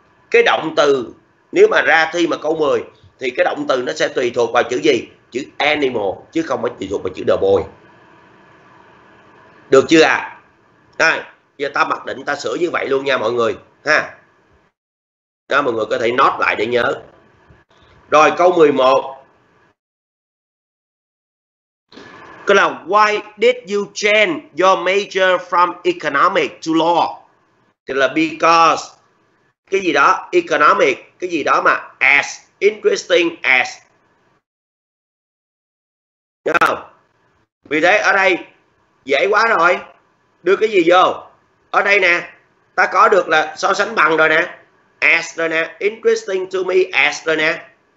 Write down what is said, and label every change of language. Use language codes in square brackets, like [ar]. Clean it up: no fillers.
[vi] Cái động từ, nếu mà ra thi mà câu 10, thì cái động từ nó sẽ tùy thuộc vào chữ gì? Chữ animal, chứ không phải tùy thuộc vào chữ the boy. Được chưa ạ? À? Đây, giờ ta mặc định ta sửa như vậy luôn nha mọi người. Ha. Đó, mọi người có thể note lại để nhớ. Rồi, câu 11. Cái là [en] why did you change your major from economic to law? [vi] Thì là [en] because [vi] cái gì đó economic, cái gì đó mà as interesting as. Được không? Vì thế ở đây dễ quá rồi. Đưa cái gì vô? Ở đây nè, ta có được là so sánh bằng rồi nè. As rồi nè, [en] interesting to me as [vi] rồi nè.